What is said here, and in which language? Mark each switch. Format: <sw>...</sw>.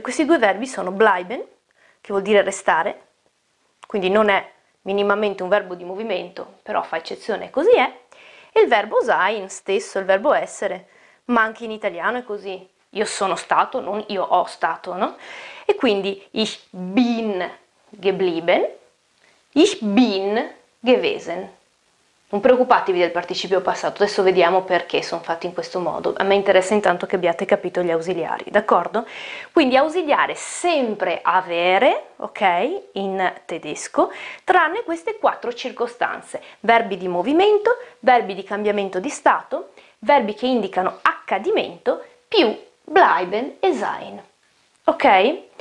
<it>Questi due verbi sono bleiben, che vuol dire restare, quindi non è minimamente un verbo di movimento, però fa eccezione e così è, e il verbo sein stesso, il verbo essere, ma anche in italiano è così. Io sono stato, non io ho stato, no? E quindi</it> <de>ich bin geblieben, ich bin gewesen.</de> <it>Non preoccupatevi del participio passato, adesso vediamo perché sono fatti in questo modo. A me interessa intanto che abbiate capito gli ausiliari, d'accordo? Quindi ausiliare sempre avere, ok, in tedesco, tranne queste quattro circostanze. Verbi di movimento, verbi di cambiamento di stato, verbi che indicano accadimento, più bleiben e sein, ok?</it>